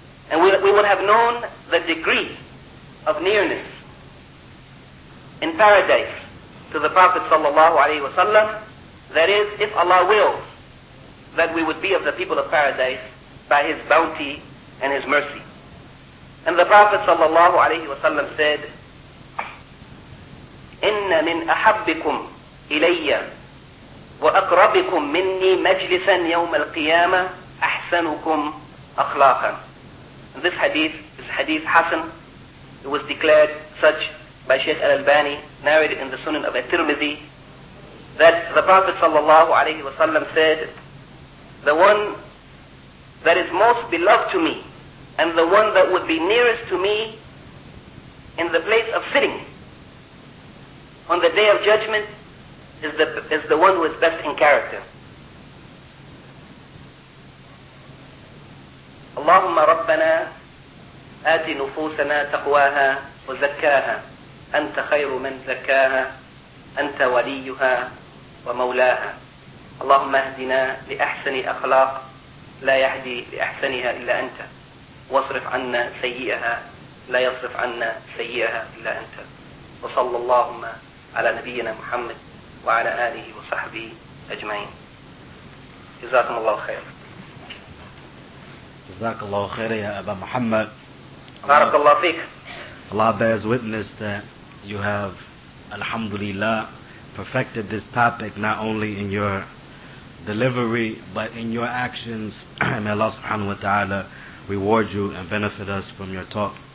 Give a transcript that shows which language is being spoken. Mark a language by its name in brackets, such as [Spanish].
[English] And we will have known the degree of nearness in paradise to the Prophet sallallahu alayhi wa sallam. That is, if Allah wills, that we would be of the people of paradise by His bounty and His mercy. And the Prophet sallallahu alayhi wa sallam said, [Arabic] إِنَّ مِنْ أَحَبِّكُمْ إِلَيَّ وَأَقْرَبِكُمْ مِنِّي مَجْلِسًا يَوْمَ الْقِيَامَةِ أَحْسَنُكُمْ أَخْلَاقًا. [English] And this hadith is hadith Hassan. It was declared such by Shaykh Al-Albani, narrated in the Sunan of At-Tirmidhi, that the Prophet sallallahu alayhi wa sallam said, the one that is most beloved to me and the one that would be nearest to me in the place of sitting on the Day of Judgment is the one who is best in character. [Arabic] اللهم ربنا آت نفوسنا تقواها وزكاها أنت خير من زكاها أنت وليها ومولاها. اللهم اهدنا لأحسن أخلاق لا يهدي لأحسنها إلا أنت، واصرف عنا سيئها لا يصرف عنا سيئها إلا أنت. وصلى اللهم على نبينا محمد وعلى آله وصحبه أجمعين. جزاكم الله خير. جزاك الله خير يا أبا محمد. بارك الله فيك. [English] Allah bears witness that you have, alhamdulillah, perfected this topic not only in your delivery but in your actions. May Allah subhanahu wa ta'ala reward you and benefit us from your talk.